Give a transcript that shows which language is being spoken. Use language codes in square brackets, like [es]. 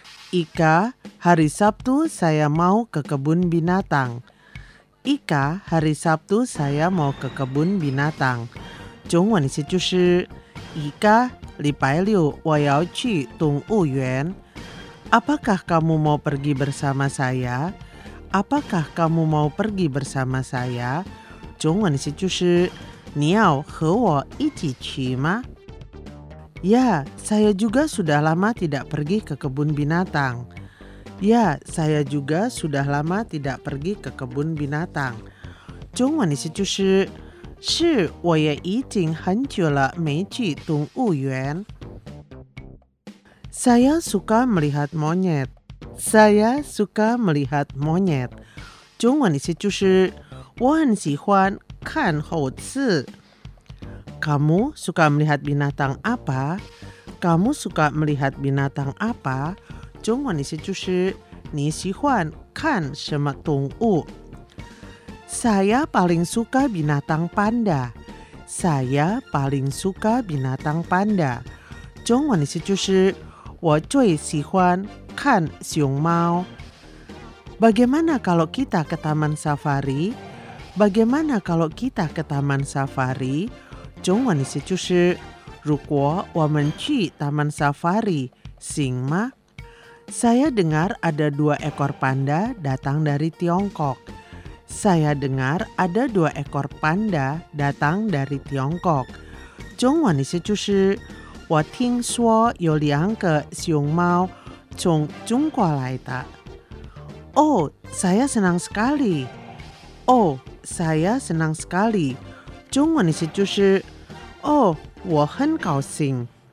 [id] Ika hari Sabtu saya mau ke kebun binatang. Ika hari Sabtu saya mau ke kebun binatang. [zh] 中文意思就是 Ika 礼拜六我要去动物园。 [id] Apakah kamu mau pergi bersama saya? Apakah kamu mau pergi bersama saya? [zh] 中文意思就是你要和我一起去吗？ [id] Ya, saya juga sudah lama tidak pergi ke kebun binatang. Ya, saya juga sudah lama tidak pergi ke kebun binatang. [zh] 中文意思就是，是我也已经很久了没去动物园。 [id] Saya suka melihat monyet. Saya suka melihat monyet. [zh] 中文意思就是，我很喜欢看猴子。 [id] Kamu suka melihat binatang apa? Kamu suka melihat binatang apa? [zh] 中文意思就是你喜欢看什么动物。 [id] Saya paling suka binatang panda. Saya paling suka binatang panda. [zh] 中文意思就是我最喜欢看熊猫。 [id] Bagaimana kalau kita ke taman safari? Bagaimana kalau kita ke taman safari? [zh] 中文意思就是，如果我们去 taman safari， 行吗？ [id] Saya dengar ada dua ekor panda datang dari Tiongkok. Saya dengar ada dua ekor panda datang dari Tiongkok. [zh] 中文意思就是，我听说有两个熊猫从中国来的。 [id] Oh, saya senang sekali. Oh, saya senang sekali. [zh] 中文意思就是。Oh, 我很高兴。